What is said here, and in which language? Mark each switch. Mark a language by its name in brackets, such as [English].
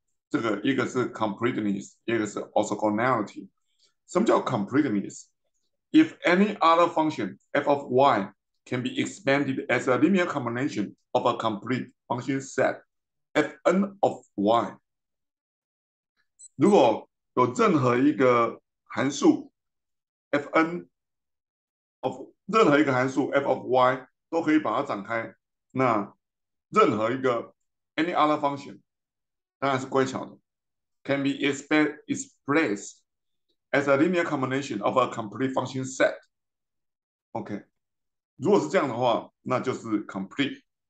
[Chinese] 这个一个是 completeness，一个是 orthogonality。什么叫 [English] completeness？If any other function f of y can be expanded as a linear combination of a complete function set f(n) of y， [Chinese] 如果有任何一个函数 f(n) of 任何一个函数 f of y 都可以把它展开，那任何一个 [English] any other function [Chinese] 当然是乖巧的， [English] can be expressed as a linear combination of a complete function set。 [Chinese] OK，如果是这样的话，那就是 complete。